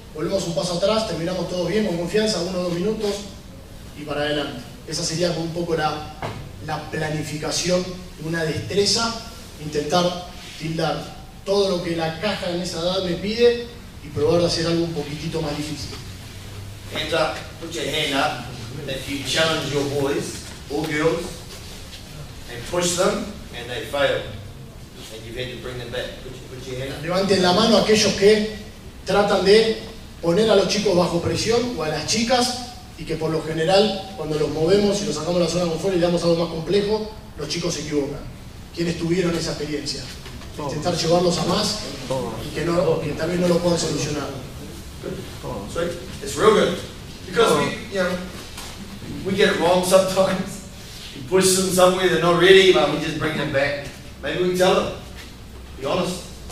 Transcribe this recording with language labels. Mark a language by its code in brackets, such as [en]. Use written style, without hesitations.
[es] Volvemos un paso atrás, terminamos todos bien, con confianza, uno o dos minutos y para adelante. Esa sería un poco la planificación, una destreza, intentar tildar todo lo que la caja en esa edad me pide y probar de hacer algo un poquitito más difícil. [en] Hands up, put your hand up, that you challenge your boys or girls and push them and they fail. And you've had to bring them back. Put your hand up. [es] Levanten la mano aquellos que tratan de poner a los chicos bajo presión o a las chicas y que por lo general cuando los movemos y los sacamos de la zona de confort y le damos algo más complejo, los chicos se equivocan. ¿Quiénes tuvieron esa experiencia? Todos. Intentar llevarlos a más y que no, que también no lo puedan solucionar. [en] It's real good. Because we, you know, we get it wrong sometimes. We push them somewhere they're not ready, but we just bring them back. Maybe we can tell them. Be honest.